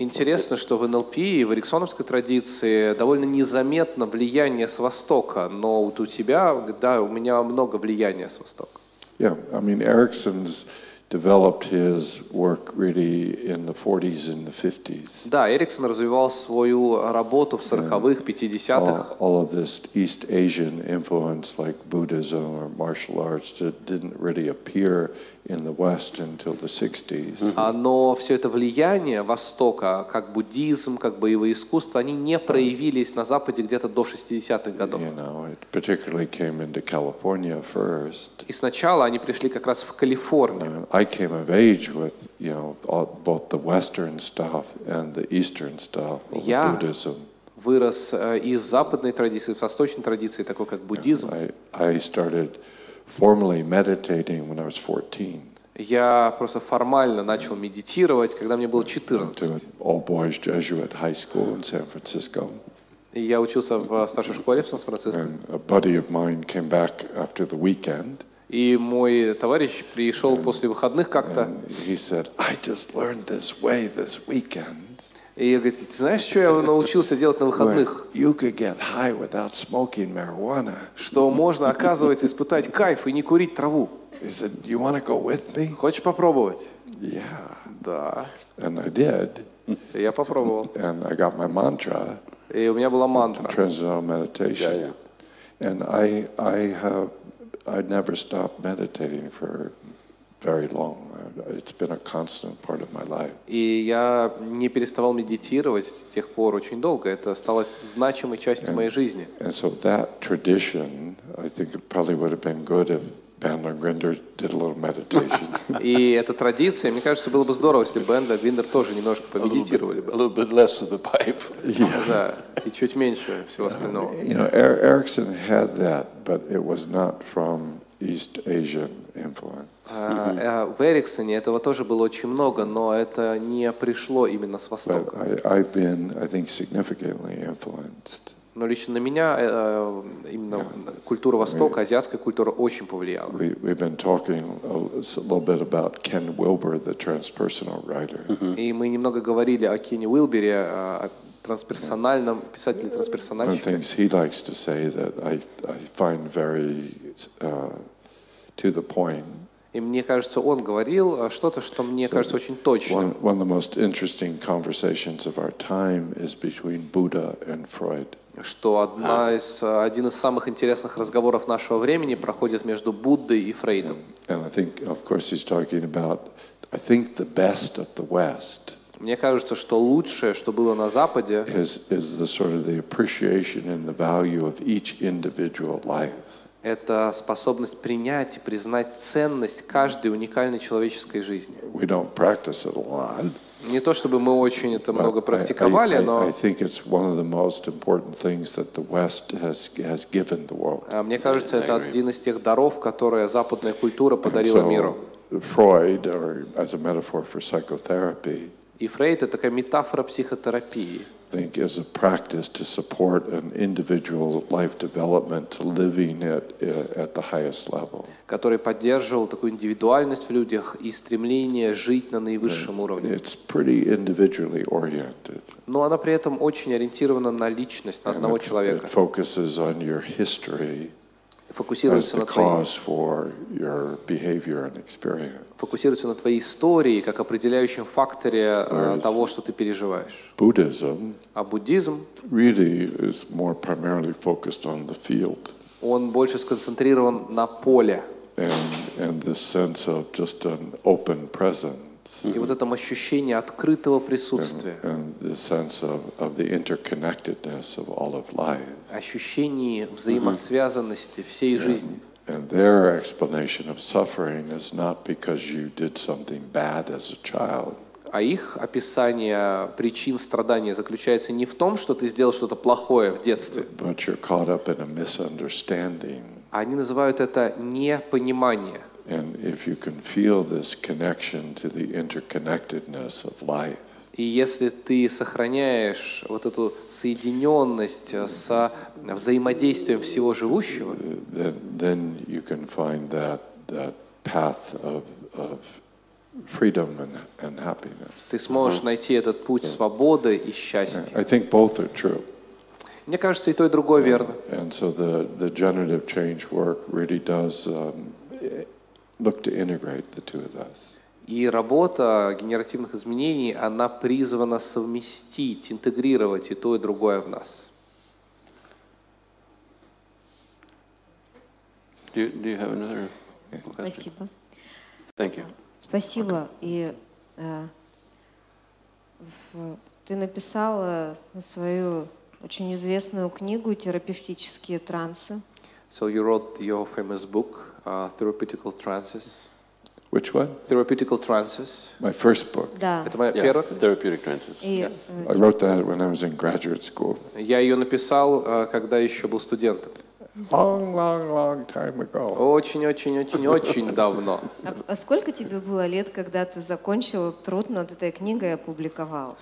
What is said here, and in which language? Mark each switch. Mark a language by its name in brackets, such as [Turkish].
[Russian] Интересно, что в NLP и в эриксоновской традиции довольно незаметно влияние с Востока, но вот у тебя, да, у меня много влияния с Востока. [English] Yeah, I mean, Erickson's developed his work really in the 40s and the 50s. [Russian] Да, Эриксон развивал свою работу в 40-х, 50-х. [English] All of this East Asian influence, like Buddhism or martial arts, didn't really appear in the West until the 60s. [Russian] Но все это влияние Востока, как буддизм, как боевое искусство, они не проявились на Западе где-то до 60-х годов. [English] You know, it particularly came into California first. [Russian] И сначала они пришли как раз в Калифорнию. [English] I came of age with, you know, all, both the Western stuff and the Eastern stuff of Buddhism. [Russian] Я вырос из западной традиции, в восточной традиции, такой как буддизм. [English] I started formally meditating when I was 14. [Russian] Я просто формально начал медитировать, когда мне было 14. [English] To an all-boys Jesuit high school in San Francisco. [Russian] Я учился в старшей школе в Сан-Франциско. [English] And a buddy of mine came back after the weekend. [Russian] И мой товарищ пришел после выходных как-то. [English] He said, "I just learned this way this weekend." [Russian] И говорит, ты знаешь, что я научился делать на выходных? [English] You could get high without smoking marijuana. [Russian] Что можно, оказывается, испытать кайф и не курить траву. [English] He said, "You want to go with me?" [Russian] Хочешь попробовать? [English] Yeah. [Russian] Да. [English] And I did. [Russian] Я попробовал. [English] And I got my mantra. [Russian] И у меня была мантра. [English] Transcendental meditation. Yeah, yeah. And I never stopped meditating for very long. It's been a constant part of my life. [Russian] И я не переставал медитировать с тех пор очень долго. Это стало значимой частью моей жизни. [English] And so that tradition, I think it probably would have been good if Bandler Grinder did a little meditation. [Russian] И эта традиция, мне кажется, было бы здорово, если Бендер Гриндер тоже немножко помедитировали бы. [English] A little bit less of the pipe. [Russian] Да, и чуть меньше всего остального. [English] You know, Erickson had that, but it was not from East Asian influence. [Russian] В Эриксоне этого тоже было очень много, но это не пришло именно с Востока. [English] I've been, I think, significantly influenced. [Russian] Но лично на меня именно культура Востока, азиатская культура очень повлияла. [English] We've been talking a little bit about Ken Wilber, the transpersonal writer. [Russian] И мы немного говорили о Кене Уилбере, трансперсональном писателе, трансперсональщике. [English] One thing he likes to say that I find very to the point. [Russian] И мне кажется, он говорил что-то, что мне кажется очень точным. [English] One of the most interesting conversations of our time is between Buddha and Freud. [Russian] Что одна из, один из самых интересных разговоров нашего времени проходит между Буддой и Фрейдом. [English] And I think, of course, he's talking about, I think, the best of the West. [Russian] Мне кажется, что лучшее, что было на Западе, [English] is the sort of the appreciation and the value of each individual life. [Russian] Это способность принять и признать ценность каждой уникальной человеческой жизни. [English] We don't practice it a lot. [Russian] Не то чтобы мы очень это много практиковали, но [English] I think it's one of the most important things that the West has given the world. [Russian] Мне кажется, это один из тех даров, которые западная культура подарила миру. [English] Freud, or as a metaphor for psychotherapy. [Russian] И Фрейд — это такая метафора психотерапии. [English] I think as a practice to support an individual life development to living it at the highest level. [Russian] Который поддерживал такую индивидуальность в людях и стремление жить на наивысшем уровне. [English] It's pretty individually oriented. [Russian] Но она при этом очень ориентирована на личность, на одного человека. [English] It focuses on your history. [Russian] Фокусируется на [English] cause for your behavior and experience. [Russian] Фокусируется на твоей истории как определяющем факторе того, что ты переживаешь. [English] Buddhism, [Russian] а буддизм [English] really is more primarily focused on the field. [Russian] Он больше сконцентрирован на поле. [English] And the sense of just an open presence. [Russian] И вот этом ощущении открытого присутствия. [English] And the sense of the interconnectedness of all of life. [Russian] Ощущении взаимосвязанности всей жизни. [English] And their explanation of suffering is not because you did something bad as a child. [Russian] А их описание причин страдания заключается не в том, что ты сделал что-то плохое в детстве. [English] But you're caught up in a misunderstanding. [Russian] Они называют это непонимание. [English] And if you can feel this connection to the interconnectedness of life. [Russian] И если ты сохраняешь вот эту соединенность со взаимодействием всего живущего, [English] then you can find that path of freedom and happiness. [Russian] Ты сможешь найти этот путь свободы и счастья. [English] I think both are true. [Russian] Мне кажется, и то, и другое верно. [English] And so the generative change work really does look to integrate the two of us. [Russian] И работа генеративных изменений, она призвана совместить, интегрировать и то, и другое в нас. [English] Do you have another question? [Russian] Спасибо. [English] Thank you. [Russian] Спасибо. Okay. И ты написал свою очень известную книгу «Терапевтические трансы». [English] So you wrote your famous book, «Therapeutical Trances». Which one? Therapeutical Trances. My first book. [Russian] Да. Это моя первая? [English] Therapeutic Trances. I wrote that when I was in graduate school. [Russian] Я ее написал, когда еще был студентом. [English] long, long, long time ago. [Russian] Очень-очень-очень-очень давно. А сколько тебе было лет, когда ты закончил труд над этой книгой и опубликовал?